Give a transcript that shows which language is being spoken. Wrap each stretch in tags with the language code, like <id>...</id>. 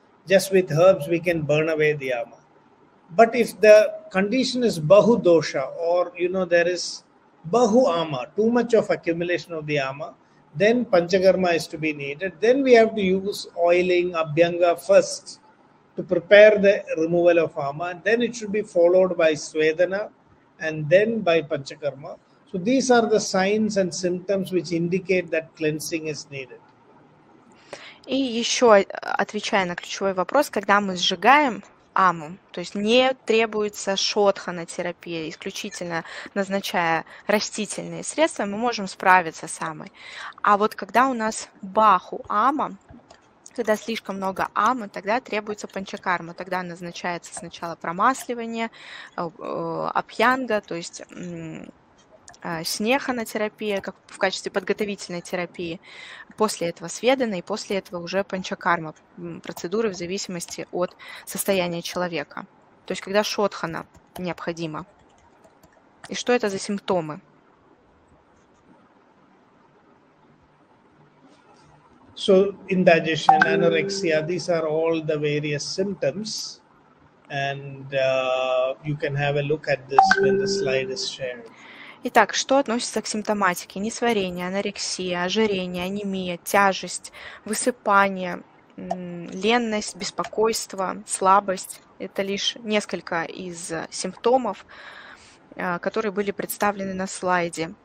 <en>Just with herbs we can burn away the ama. But if the condition is bahu dosha, or you know, there is bahu ama, too much of accumulation of the ama, then panchakarma is to be needed. Then we have to use oiling, abhyanga first to prepare the removal of ama. And then it should be followed by swedana and then by panchakarma. So these are the signs and symptoms which indicate that cleansing is needed.</en> <ru>И еще, отвечая на ключевой вопрос, когда мы сжигаем аму, то есть не требуется шодхана-терапия, исключительно назначая растительные средства, мы можем справиться с амой. А вот когда у нас баху ама, когда слишком много амы, тогда требуется панчакарма, тогда назначается сначала промасливание, абхьянга, то есть снеханатерапия, как в качестве подготовительной терапии, после этого сведана, и после этого уже панчакарма, процедуры в зависимости от состояния человека. То есть, когда шодхана необходима. И что это за симптомы?</ru> <en>So, indigestion, anorexia, these are all the various symptoms. And you can have a look at this when the slide is shared.</en> <ru>Итак, что относится к симптоматике? Несварение, анорексия, ожирение, анемия, тяжесть, высыпание, ленность, беспокойство, слабость. Это лишь несколько из симптомов, которые были представлены на слайде.</ru>